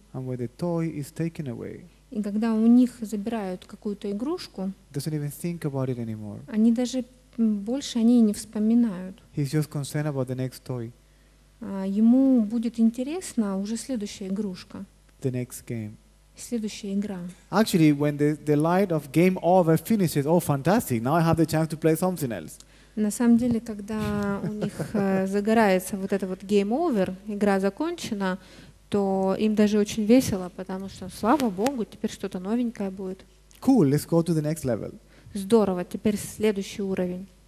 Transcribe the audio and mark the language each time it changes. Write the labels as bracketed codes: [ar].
[en] And when the toy is taken away, [ru] и когда у них забирают какую-то игрушку, [en] doesn't even think about it anymore. [ru] Они даже больше о ней не вспоминают. [en] He's just concerned about the next toy. [ru] Ему будет интересно уже следующая игрушка. [en] The next game. [ru] Следующая игра. [en] Actually, when the light of game over finishes, oh, fantastic! Now I have the chance to play something else. [ru] На самом деле, когда у них загорается вот это вот [en] game over, [ru] игра закончена, то им даже очень весело, потому что слава богу, теперь что-то новенькое будет. [en] Cool, let's go to the next level. [ru] Здорово, теперь следующий уровень.